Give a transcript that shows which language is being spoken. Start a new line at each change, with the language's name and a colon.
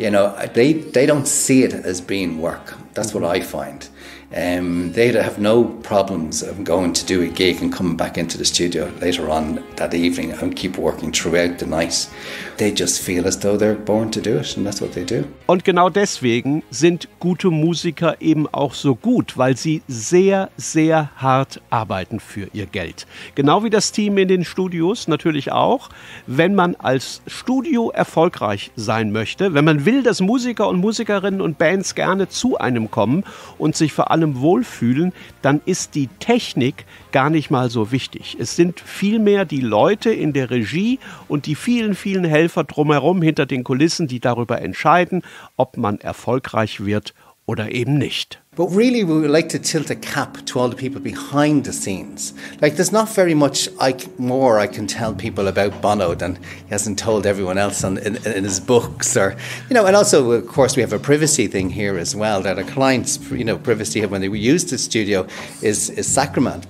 English: You know, they don't see it as being work. That's what I find. They'd have no problems of going to do a gig and coming back into the studio later on that evening and keep working throughout the night. They just feel as though they're born to do it, and that's what they do.
German: Und genau deswegen sind gute Musiker eben auch so gut, weil sie sehr, sehr hart arbeiten für ihr Geld. Genau wie das Team in den Studios natürlich auch. Wenn man als Studio erfolgreich sein möchte, wenn man will, dass Musiker und Musikerinnen und Bands gerne zu einem kommen und sich vor allem wohlfühlen, dann ist die Technik gar nicht mal so wichtig. Es sind vielmehr die Leute in der Regie und die vielen, vielen Helfer drumherum hinter den Kulissen, die darüber entscheiden, ob man erfolgreich wird oder eben nicht.
English: But really we would like to tilt a cap to all the people behind the scenes. Like there's not very much more I can tell people about Bono than he hasn't told everyone else in his books or, you know, and also of course we have a privacy thing here as well, that a client's, you know, privacy when they use the studio is sacrament.